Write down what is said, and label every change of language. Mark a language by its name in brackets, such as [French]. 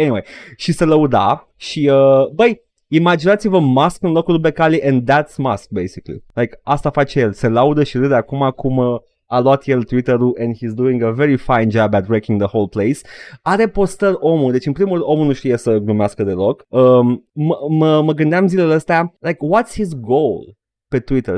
[Romanian] Anyway, și se lăuda și, băi, imaginați-vă Musk în locul lui Becali [English] and that's Musk, basically. Like, [Romanian] asta face el. Se laudă și râde acum cum... a luat el Twitter-ul [English] and he's doing a very fine job at wrecking the whole place. [Romanian] Are postări omul, deci în primul rând omul nu știe să glumească deloc. Mă gândeam zilele astea, like, [English] what's his goal [Romanian] pe Twitter?